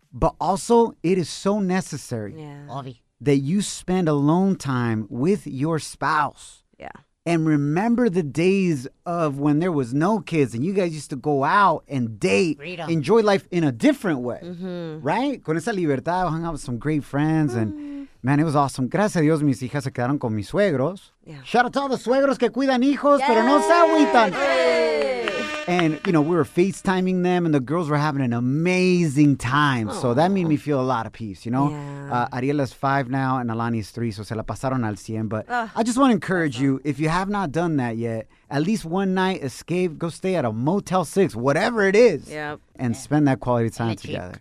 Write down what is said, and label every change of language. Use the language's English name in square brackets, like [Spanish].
[English] But also, it is so necessary that you spend alone time with your spouse. Yeah. And remember the days of when there was no kids and you guys used to go out and date, enjoy life in a different way, right? [Spanish] Con esa libertad, [English] I hung out with some great friends and, man, it was awesome. [Spanish] Gracias a Dios, mis hijas se quedaron con mis suegros. [English] Yeah. Shout out to all the [Spanish] suegros que cuidan hijos, pero no se agüitan. [English] And, you know, we were FaceTiming them and the girls were having an amazing time. Aww. So that made me feel a lot of peace, you know? Yeah. Ariela's 5 now and Alani's 3, so [Spanish] se la pasaron al 100. [English] But I just want to encourage you, if you have not done that yet, at least one night escape, go stay at a Motel 6, whatever it is, and spend that quality time together.